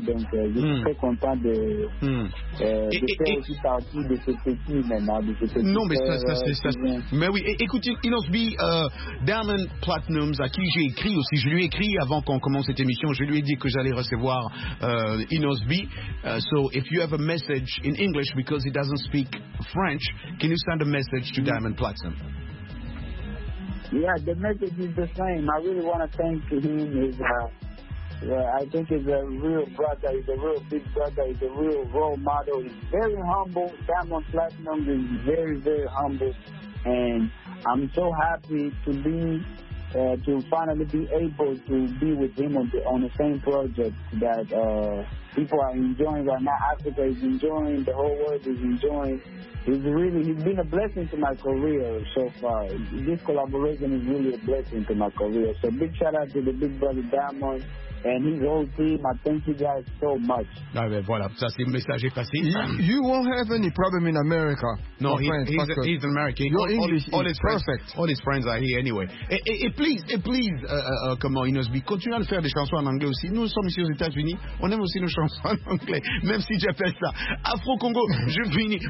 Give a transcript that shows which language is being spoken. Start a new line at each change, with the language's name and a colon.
French: Donc je suis très content de, faire aussi partie de ce petit maintenant. De ce petit non, mais ça, c'est ça. Mais oui, écoutez, Inos Bia, Diamond Platinum, à qui j'ai écrit aussi, je lui ai écrit avant qu'on commence cette émission, je lui ai dit que j'allais recevoir Inos Bia.
English: So if you have a message in English because he doesn't speak French, can you send a message to Diamond Platinum? Yeah, the message is the same. I really want to thank him. Yeah, I think he's a real brother. He's a real big brother. He's a real role model. He's very humble. Diamond Platinum is very, very humble. And I'm so happy to be, to finally be able to be with him on the same project that people are enjoying right now. Africa is enjoying. The whole world is enjoying. He's been a blessing to my career so far. This collaboration is really a blessing to my career. So big shout out to the big brother Diamond. And his whole team, I thank you guys so much.
French: Ah, ben voilà, ça c'est le message passé.
English: You won't have any problem in America. No, he's American. Your English is perfect. All his friends are here anyway.
French: Et please, comment, Inosby, continue à faire des chansons en anglais aussi. Nous sommes ici aux États-Unis, on aime aussi nos chansons en anglais, même si j'appelle ça Afro-Congo, je finis.